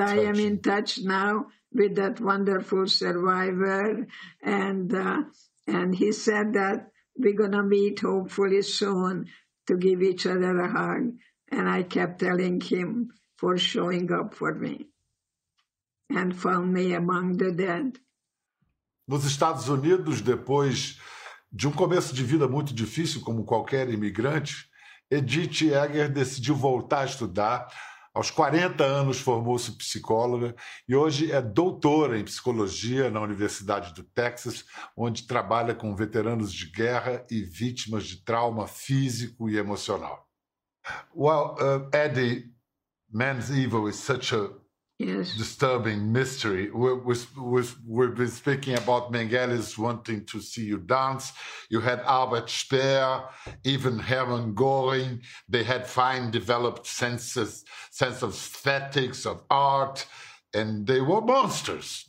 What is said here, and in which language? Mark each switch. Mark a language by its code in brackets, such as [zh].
[en] I am in touch now with that wonderful survivor. And he said that we're going to meet hopefully soon to give each other a hug. And I kept telling him for showing up for me and found me among the dead. [pt] Nos Estados Unidos, depois de um começo de vida muito difícil, como qualquer imigrante, Edith Eger decidiu voltar a estudar. Aos 40 anos, formou-se psicóloga e hoje é doutora em psicologia na Universidade do Texas, onde trabalha com veteranos de guerra e vítimas de trauma físico e emocional. [en] Well, Eddie, man's evil is such a disturbing mystery. We've been speaking about Mengele's wanting to see you dance. You had Albert Speer, even Hermann Göring. They had fine developed sense of aesthetics, of art, and they were monsters.